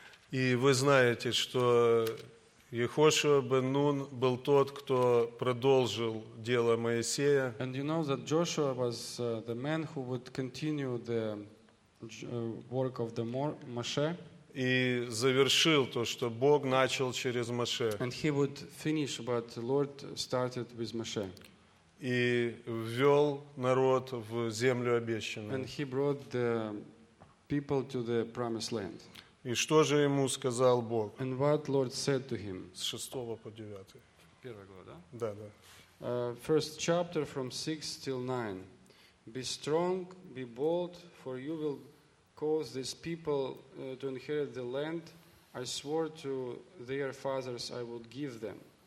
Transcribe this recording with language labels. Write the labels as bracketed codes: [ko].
[ru] И вы знаете, что Йехошуа бен Нун был тот, кто продолжил дело Моисея. [en] And you know that Joshua was the man who would continue the work of the Moshe. [ru] И завершил то, что Бог начал через Моше. [en] And he would finish what the Lord started with Moshe. [ru] И ввел народ в землю обещанную. [en] And he brought the people to the promised land. [ru] И что же ему сказал Бог? [en] And what Lord said to him? [ru] С 6 по 9. Первая глава, да? Да, да. [en] First chapter from 6 till 9. Be strong, be bold, for you will cause these people to inherit the land I swore to their fathers I would give them.